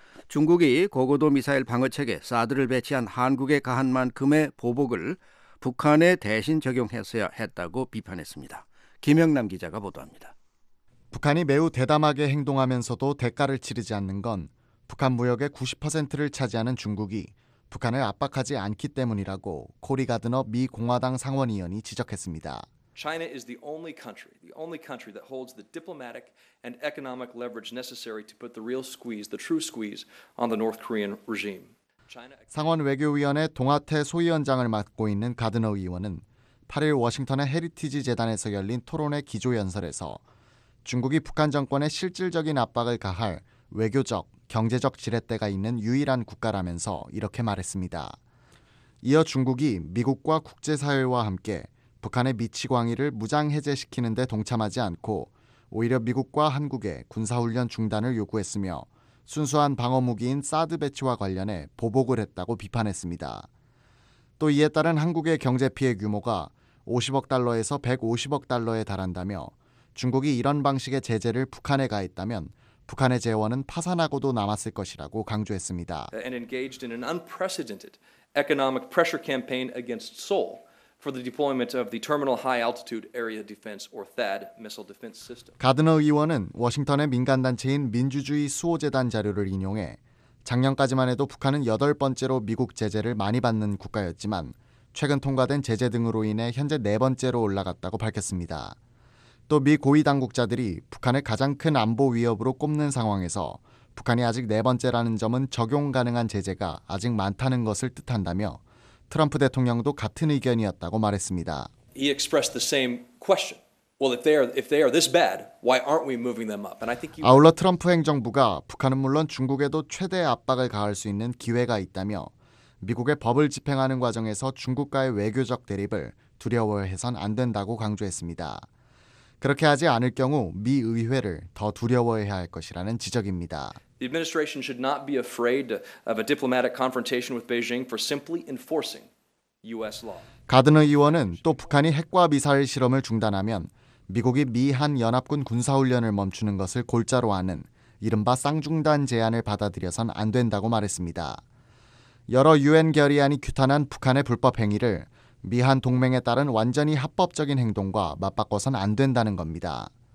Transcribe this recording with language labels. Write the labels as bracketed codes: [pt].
[ko] 중국이 고고도 미사일 방어체계 사드를 배치한 한국에 가한 만큼의 보복을 북한에 대신 적용했어야 했다고 비판했습니다. 김영남 기자가 보도합니다. 북한이 매우 대담하게 행동하면서도 대가를 치르지 않는 건 북한 무역의 90%를 차지하는 중국이 북한을 압박하지 않기 때문이라고 코리 가드너 미 공화당 상원의원이 지적했습니다. [en] China is the only country that holds the diplomatic and economic leverage necessary to put the real squeeze, the true squeeze on the North Korean regime. [ko] 상원 외교위원회 동아태 소위원장을 맡고 있는 가드너 의원은 8일 워싱턴의 헤리티지 재단에서 열린 토론회 기조연설에서 중국이 북한 정권에 실질적인 압박을 가할 외교적, 경제적 지렛대가 있는 유일한 국가라면서 이렇게 말했습니다. 이어 중국이 미국과 국제사회와 함께 북한의 미치광이를 무장해제시키는 데 동참하지 않고 오히려 미국과 한국의 군사훈련 중단을 요구했으며 순수한 방어무기인 사드 배치와 관련해 보복을 했다고 비판했습니다. 또 이에 따른 한국의 경제 피해 규모가 50억 달러에서 150억 달러에 달한다며 중국이 이런 방식의 제재를 북한에 가했다면 북한의 재원은 파산하고도 남았을 것이라고 강조했습니다. [en] And engaged in an unprecedented economic pressure campaign against Seoul for the deployment of the Terminal High Altitude Area Defense or THAAD missile defense system. [ko] 가드너 의원은 워싱턴의 민간 단체인 민주주의 수호 재단 자료를 인용해 작년까지만 해도 북한은 여덟 번째로 미국 제재를 많이 받는 국가였지만 최근 통과된 제재 등으로 인해 현재 네 번째로 올라갔다고 밝혔습니다. 또 미 고위 당국자들이 북한을 가장 큰 안보 위협으로 꼽는 상황에서 북한이 아직 네 번째라는 점은 적용 가능한 제재가 아직 많다는 것을 뜻한다며 트럼프 대통령도 같은 의견이었다고 말했습니다. [en] He expressed the same question. Well, if they are this bad, why aren't we moving them up? And I think you [ko] 아울러 트럼프 행정부가 북한은 물론 중국에도 최대 압박을 가할 수 있는 기회가 있다며 미국의 법을 집행하는 과정에서 중국과의 외교적 대립을 두려워해선 안 된다고 강조했습니다. 그렇게 하지 않을 경우 미 의회를 더 두려워해야 할 것이라는 지적입니다. [en] The administration should not be afraid of a diplomatic confrontation with Beijing for simply enforcing U.S. law. [ko] 가드너 의원은 또 북한이 핵과 미사일 실험을 중단하면 미국이 미한 연합군 군사훈련을 멈추는 것을 골자로 아는 이른바 쌍중단 제안을 받아들여선 안 된다고 말했습니다. 여러 유엔 결의안이 규탄한 북한의 불법 행위를 미한 동맹에 따른 완전히 합법적인 행동과 맞바꿔선 안 된다는 겁니다.